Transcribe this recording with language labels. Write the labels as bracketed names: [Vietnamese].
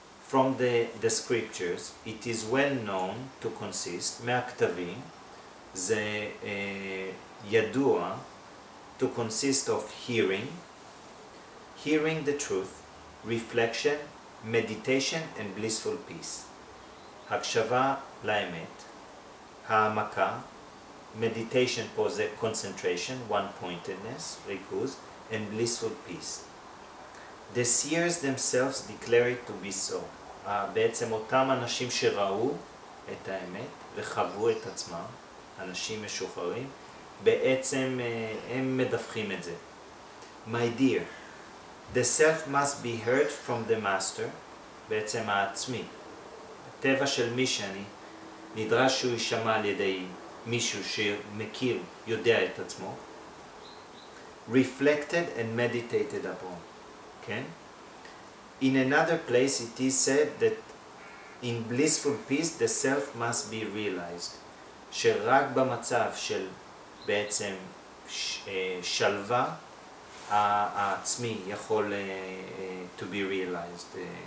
[English] From the scriptures, it is well known to consist, [Hebrew] מהכתבים, זה ידוע, [English] to consist of hearing the truth, reflection, meditation and blissful peace. [Hebrew] הקשבה לאמת, העמקה, meditation פה זה concentration, one-pointedness, ריכוז, [English] and blissful peace. The seers themselves declare it to be so. [Hebrew] בעצם אותם אנשים שראו את האמת וחוו את עצמם, אנשים משוחררים, בעצם הם מדווחים את זה. [English] My dear, The self must be heard from the master, [Hebrew] בעצם העצמי. הטבע של מי שאני, נדרש שהוא יישמע על ידי מישהו שמכיר, יודע את עצמו. [English] Reflected and meditated upon. [Hebrew] כן? [English] In another place it is said that in blissful peace the self must be realized. [Hebrew] שרק במצב של בעצם שלווה, העצמי יכול [English] to be realized.